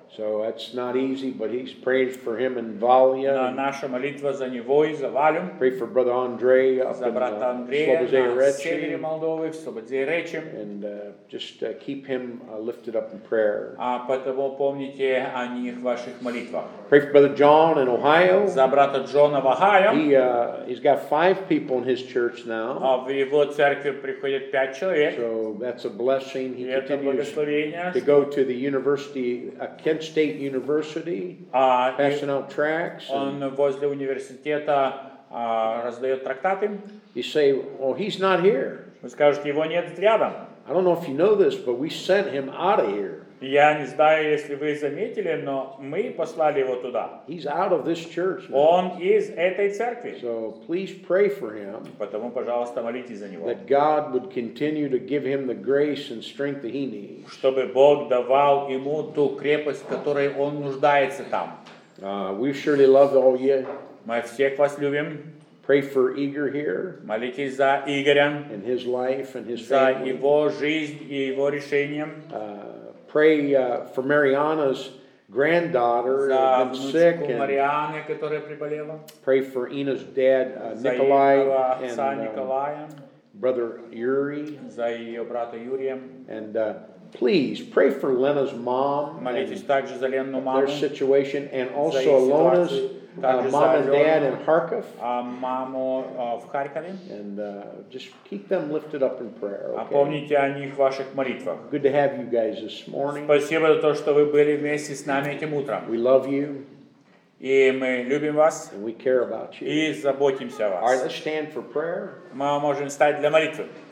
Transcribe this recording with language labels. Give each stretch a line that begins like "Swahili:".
English: So that's not easy, but he's prayed for him in Valia.
Russian: Наша молитва за него и за Валю.
English: Pray for brother Andre up in
Russian: Slobozia-Rechi. Молдовы, в Слободзее-Речи.
English: And just keep him lifted up in prayer.
Russian: А потому помните о них в ваших молитвах.
English: Pray for brother John in Ohio.
Russian: За брата Джона в Огайо.
English: He's got 5 people in his church now.
Russian: А в его церкви приходит 5 человек.
English: So that's a blessing. He continues
Russian: благословение.
English: To go to the university academy. Kent State University, passing out tracts.
Russian: Он возле университета раздает трактаты.
English: You say, "Well, he's not here."
Russian: Вы скажете, его нет рядом.
English: I don't know if you know this, but we sent him out of here.
Russian: Я не знаю, если вы заметили, но мы послали его туда.
English: He's out of this church.
Russian: Он из этой церкви.
English: So please pray for him.
Russian: Потому, пожалуйста, молитесь за него.
English: That God would continue to give him the grace and strength that he needs.
Russian: Чтобы Бог давал ему ту крепость, которой он нуждается там.
English: We surely love all you.
Russian: Мы всех вас любим.
English: Pray for Igor here.
Russian: Молитесь за Игоря.
English: And his life and his family.
Russian: За его жизнь и его решением.
English: Pray for Mariana's granddaughter who's sick and
Russian: Mariana, которая приболела.
English: Pray for Ina's dad Nikolai and
Russian: Николая,
English: brother Yuri.
Russian: За ее брата Юрия.
English: And please pray for Lena's mom.
Russian: Молитесь также за Ленну маму.
English: Their situation and also Alona's mom and dad in Kharkiv.
Russian: Маму в Харькове.
English: And just keep them lifted up in prayer. Okay?
Russian: А помните о них в ваших молитвах.
English: Good to have you guys this morning.
Russian: Спасибо за то, что вы были вместе с нами этим утром.
English: We love you.
Russian: И мы любим вас.
English: And we care about you.
Russian: И заботимся о вас.
English: All right, let's stand for prayer.
Russian: Мы можем встать для молитвы.